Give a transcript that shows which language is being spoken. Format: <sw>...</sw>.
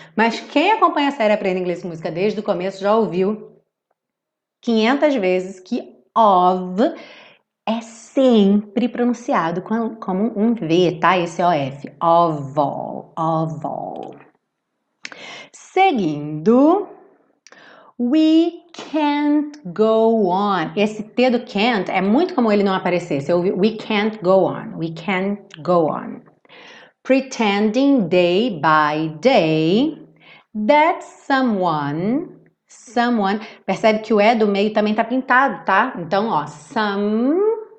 <pt>Mas quem acompanha a série Aprenda Inglês com Música desde o começo já ouviu 500 vezes que of é sempre pronunciado como um V, tá? Esse</pt> <en>OF, of all, of all.</en> <pt>Seguindo,</pt> <en>we can't go on.</en> <pt>Esse T do can't é muito como ele não aparecer. Você ouviu?</pt> <en>We can't go on, we can't go on. Pretending day by day that someone,</en> <pt>percebe que o E do meio também tá pintado, tá? Então, ó, someone.</pt>